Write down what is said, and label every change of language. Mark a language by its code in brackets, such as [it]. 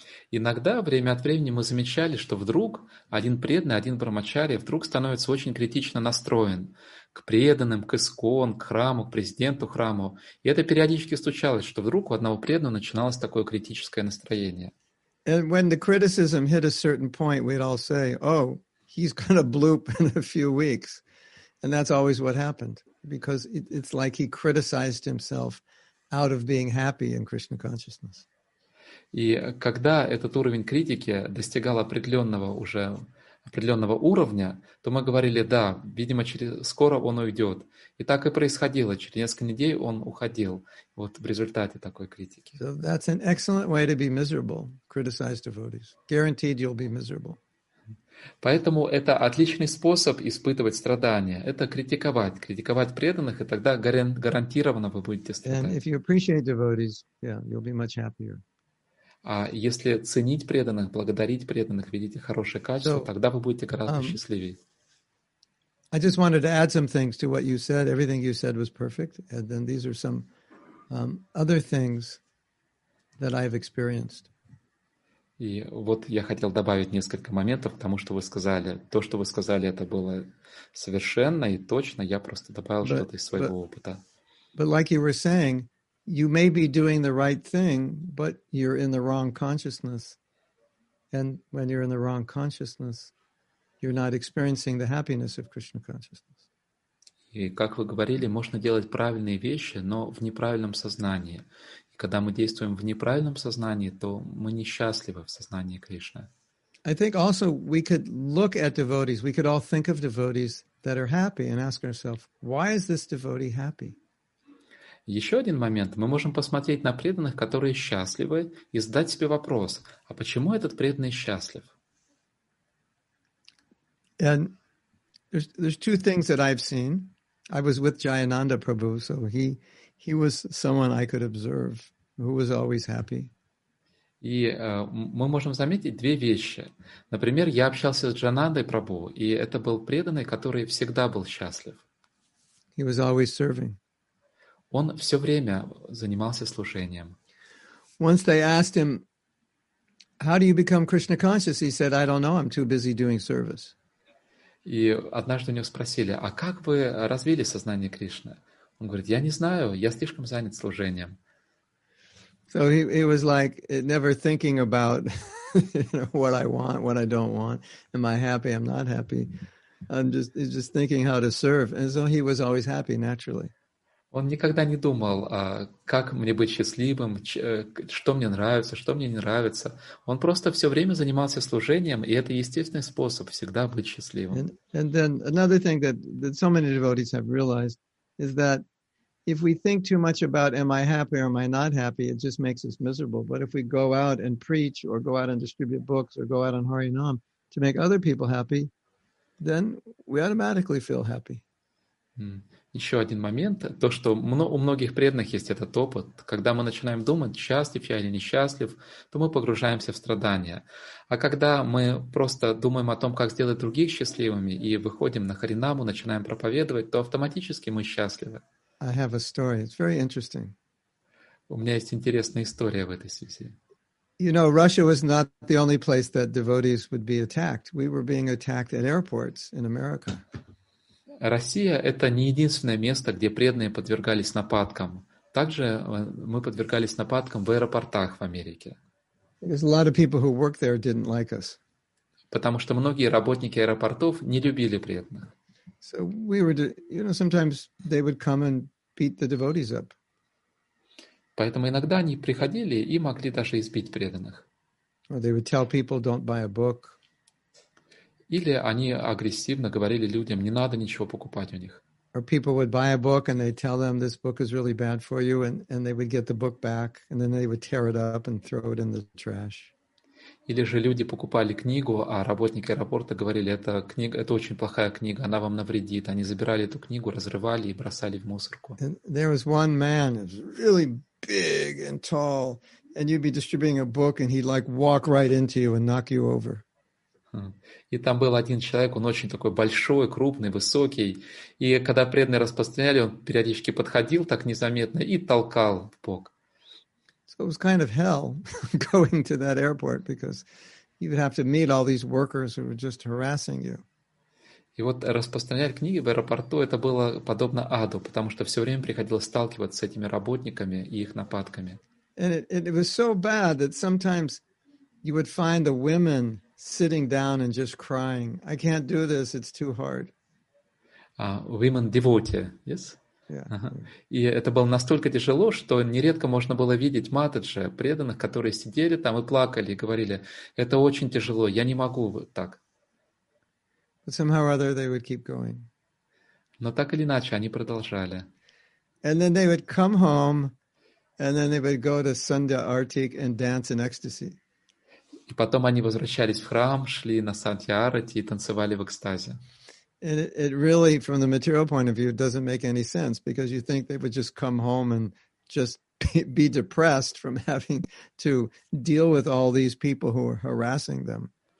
[ru] Иногда, время от времени, мы замечали, что вдруг один преданный, один брахмачари вдруг становится очень критично настроен к преданным, к ИСКОН, к храму, к президенту храму. И это периодически случалось, что вдруг у одного преданного начиналось такое критическое настроение. [en] And when the criticism hit a certain point, we'd all say, oh, he's going to bloop in a few weeks. And that's always what happened, because it's like he criticized himself out of being happy in Krishna consciousness. [ru] И когда этот уровень критики достигал определенного уровня, то мы говорили, да, видимо, скоро он уйдет. И так и происходило. Через несколько недель он уходил. Вот в результате такой критики. [en] So that's an excellent way to be miserable, criticize devotees. Guaranteed you'll be miserable. [ru] Поэтому это отличный способ испытывать страдания. Это критиковать. Критиковать преданных, и тогда гарантированно вы будете страдать. [en] And if you appreciate devotees, yeah, you'll be much happier. [ru] А если ценить преданных, благодарить преданных, видите хорошее качество, so, тогда вы будете гораздо счастливее. [en] I just wanted to add some things to what you said. Everything you said was perfect. And then these are some other things that I've experienced. [ru] И вот я хотел добавить несколько моментов к тому, что вы сказали. То, что вы сказали, это было совершенно и точно. Я просто добавил что-то из своего опыта. [en] But like you were saying, you may be doing the right thing, but you're in the wrong consciousness. And when you're in the wrong consciousness, you're not experiencing the happiness of Krishna consciousness. [ru] И как вы говорили, можно делать правильные вещи, но в неправильном сознании. И когда мы действуем в неправильном сознании, то мы несчастливы в сознании Кришны. [en] I think also we could look at devotees, we could all think of devotees that are happy and ask ourselves, why is this devotee happy? [ru] Еще один момент. Мы можем посмотреть на преданных, которые счастливы, и задать себе вопрос, а почему этот преданный счастлив? [en] And there's two things that I've seen. I was with Jayananda Prabhu, so he was someone I could observe, who was always happy. [ru] И мы можем заметить две вещи. Например, я общался с Джанандой Прабху, и это был преданный, который всегда был счастлив. [en] He was always serving. [ru] Он все время занимался служением. [en] Once they asked him, how do you become Krishna conscious? He said, I don't know, I'm too busy doing service. [ru] И однажды у него спросили, а как вы развили сознание Кришны? Он говорит, я не знаю, я слишком занят служением. [en] So he was like never thinking about what I want, what I don't want. Am I happy? I'm not happy. He's just thinking how to serve. And so he was always happy naturally. [ru] Он никогда не думал, как мне быть счастливым, что мне нравится, что мне не нравится. Он просто все время занимался служением, и это естественный способ всегда быть счастливым. [en] And then another thing that so many devotees have realized is that if we think too much about am I happy or am I not happy, it just makes us miserable. But if we go out and preach or go out and distribute books or go out on Harinam to make other people happy, then we automatically feel happy. [ru] Еще один момент, то, что у многих преданных есть этот опыт, когда мы начинаем думать, счастлив я или несчастлив, то мы погружаемся в страдания. А когда мы просто думаем о том, как сделать других счастливыми, и выходим на харинаму, начинаем проповедовать, то автоматически мы счастливы. [en] I have a story. It's very interesting. [ru] У меня есть интересная история в этой связи. [en] You know, Russia was not the only place that devotees would be attacked. We were being attacked at airports in America. [ru] Россия — это не единственное место, где преданные подвергались нападкам. Также мы подвергались нападкам в аэропортах в Америке. [en] There's a lot of people who worked there didn't like us. [ru] Потому что многие работники аэропортов не любили преданных. [en] So we were, you know, sometimes they would come and beat the devotees up. [ru] Поэтому иногда они приходили и могли даже избить преданных. [en] Or they would tell people, don't buy a book. [ru] Или они агрессивно говорили людям, не надо ничего покупать у них. [en] Or people would buy a book and they'd tell them this book is really bad for you, and they would get the book back and then they would tear it up and throw it in the trash. [ru] Или же люди покупали книгу, а работники аэропорта говорили, эта книга, это очень плохая книга, она вам навредит. Они забирали эту книгу, разрывали и бросали в мусорку. [en] And there was one man, he was really big and tall, and you'd be distributing a book and he'd like walk right into you and knock you over. [ru] И там был один человек, он очень такой большой, крупный, высокий. И когда преданные распространяли, он периодически подходил так незаметно и толкал в бок. [en] So it was kind of hell going to that airport because you would have to meet all these workers who were just harassing you. [ru] И вот распространять книги в аэропорту, это было подобно аду, потому что все время приходилось сталкиваться с этими работниками и их нападками. [en] And it was so bad that sometimes you would find the women sitting down and just crying, I can't do this, it's too hard. Women devotee, yes? [ru] И это было настолько тяжело, что нередко можно было видеть матаджи, преданных, которые сидели там и плакали, и говорили, это очень тяжело, я не могу так. [en] But somehow or other they would keep going. [ru] Но так или иначе, они продолжали. [en] And then they would come home, and then they would go to Sandhya Arati and dance in ecstasy. [ru] И потом они возвращались в храм, шли на Сантьярати и танцевали в экстазе. [en] And it really, from the material point of view, doesn't make any sense because you think they would just come home and just be depressed from having to deal with all these people who are harassing them.